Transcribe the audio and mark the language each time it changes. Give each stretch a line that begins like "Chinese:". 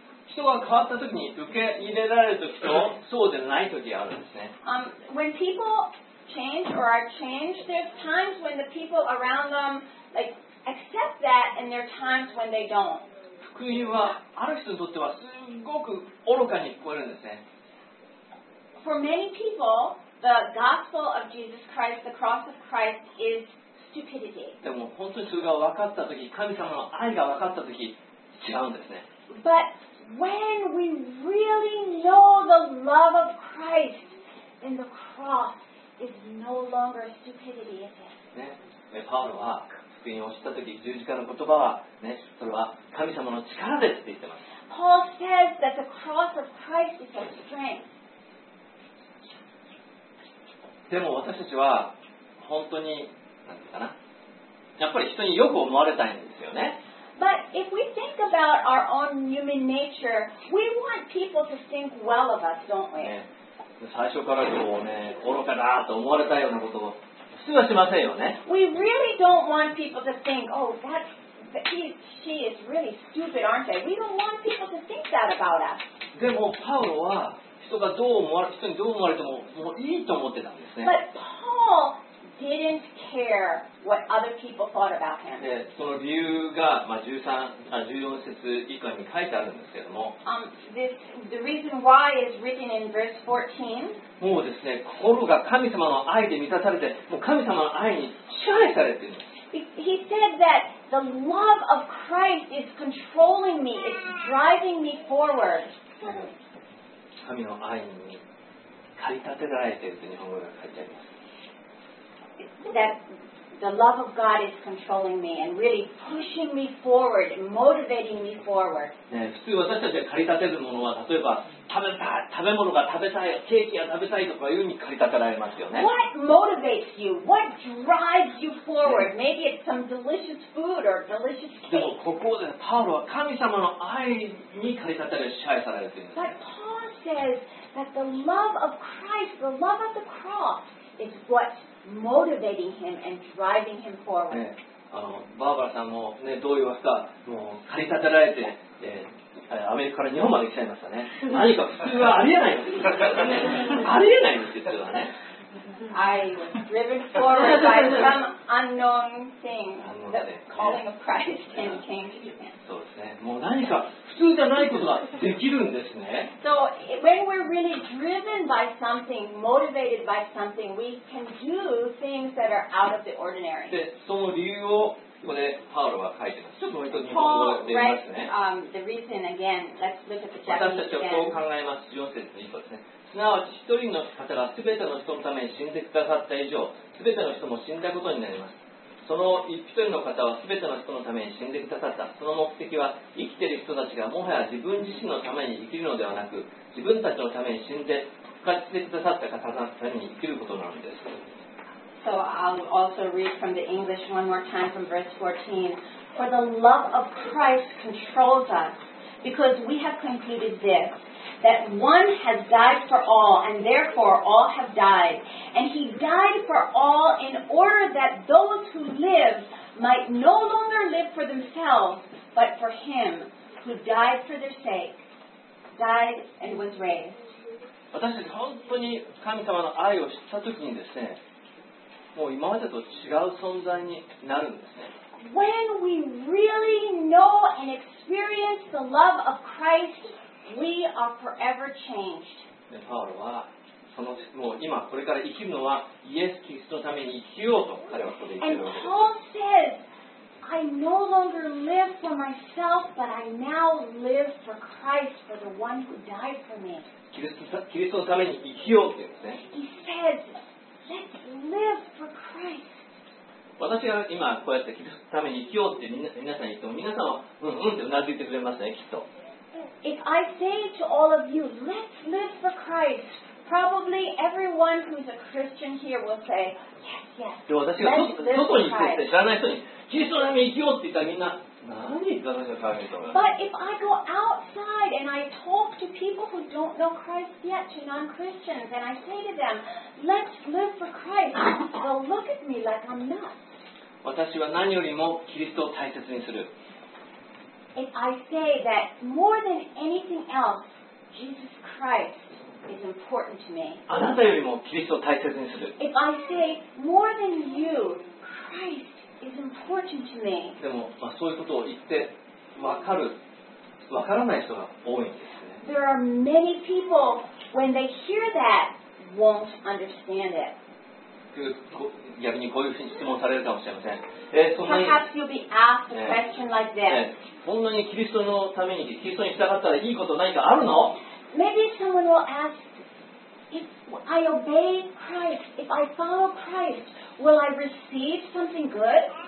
Japanese: 人が変わった時に受け入れられる時とそうでない時があるんですね。
English: When people change or are changed, there's times when the people around them like accept that, and there are times when they don't.
Japanese: 福音はある人にとってはすごく愚かに聞こえるんですね。
English: For many people, the gospel of Jesus Christ, the cross of Christ, is stupidity.
Japanese: でも本当にそれが分かった時、神様の愛が分かった時、違うんですね。
English: But when we really know the love of Christ in the cross is no longer stupidity, is it?
Japanese: ね、パウロは福音を知った時、十字架の言葉は、ね、それは神様の力ですって言ってます。
English: Paul says that the cross of Christ is a strength.
Japanese: でも私たちは本当に、なんていうかな、やっぱり人によく思われたいんですよね。
English: But if we think about our own human nature, we want people to think well of us, don't we?
Japanese: 最初からこうね、愚かだと思われたようなことを普通はしませんよね。
English: We really don't want people to think, oh, that's, she is really stupid, aren't they? We don't want people to think that about us.
Japanese: でもパウロは人がどう思われ、人にどう思われてももういいと思ってたんですね。
English: But Paul didn't care what other people thought about him.
Japanese: その理由が、まあ、14節以下に書いてあるんですけども、
English: the reason why is written in verse 14.
Japanese: もうですね、心が神様の愛で満たされて、もう神様の愛に支配されてる。
English: He said that the love of Christ is controlling me. It's driving me forward.
Japanese: 神の愛に駆り立てられてるって日本語が書いてあります。
English: That the love of God is controlling me and really pushing me forward and motivating me forward.
Japanese: 普通私たちが駆り立てるものは例えば食べ物が食べたい、ケーキが食べたいとかいうふうに駆り立てられますよね。
English: What motivates you? What drives you forward? Maybe it's some delicious food or delicious cake.
Japanese: でもここでパウロは神様の愛に駆り立てられ、支配されるというんです。
English: But Paul says that the love of Christ, the love of the cross, is what motivating him and driving him forward.
Japanese: バーバラさんもね、どう言いますか、もう駆り立てられて、アメリカから日本まで来ちゃいましたね。何か普通はありえないんですよ。ありえないんですよ、実はね。
English: I was driven forward by some unknown thing, the calling of Christ and changed him.
Japanese: そうですね。もう何か普通じゃないことができるんですね。
English: So when we're really driven by something, motivated by something, we can do things that are out of the ordinary.
Japanese: で、その理由をここでパウロは書いてます。ちょっともう一度日本語で言いますね。
English: The reason again, let's look at the Japanese again.
Japanese: 私たちはこう考えます。4節の1節ですね。すなわち一人の方がすべての人のために死んでくださった以上、すべての人も死んだことになります。その一人の方はすべての人のために死んでくださった。その目的は生きている人たちがもはや自分自身のために生きるのではなく、自分たちのために死んで復活してくださった方のために生きることなのです。
English: So I'll also read from the English one more time from verse 14. For the love of Christ controls us, because we have concluded this. That one has died for all, and therefore all have died. And he died for all in order that those who live might no longer live for themselves, but for him who died for their sake, died and was raised.
Japanese: 私たち本当に神様の愛を知った時にですね、もう今までと違う存在になるんですね。
English: When we really know and experience the love of Christ,We are forever changed.
Japanese: パウロはそのもう今これから生きるのはイエス・キリストのために生きようと彼はここで言っているわけです。
English: And Paul says, I no longer live for myself, but I now live for Christ, for the one who died for me.
Japanese: キリストのために生きようって言うんですね。
English: He says, Let's live for Christ.
Japanese: 私が今こうやってキリストのために生きようって皆さんに言っても皆さんはうんうんってうなずいてくれますね、きっと。
English: If I say to all of you, let's live for Christ, probably everyone who's a Christian here will say, yes, yes.
Japanese: で、私が外に行って知らない人に、キリストのために生きようって言ったらみんな、何言ってたんですか？
English: But if I go outside and I talk to people who don't know Christ yet, to non-Christians, and I say to them, let's live for Christ, they'll look at me like I'm nuts.
Japanese: 私は何よりもキリストを大切にする。
English: And I say that more than anything else, Jesus Christ is important to me.
Japanese: あなたよりもキリストを大切にする。
English: If I say more than you, Christ is important to me.
Japanese: でも、まあ、そういうことを言って分かる、分からない人が多いんですね。
English: There are many people when they hear that won't understand it.
Japanese: 逆にこういうふうに質問されるかもしれません。
English: Perhaps you'll be asked a question like this.
Japanese: こんなにキリストのためにキリストに従ったらいいこと何かあるの？
English: Maybe someone will ask, if I obey Christ, if I follow Christ, will I receive something good?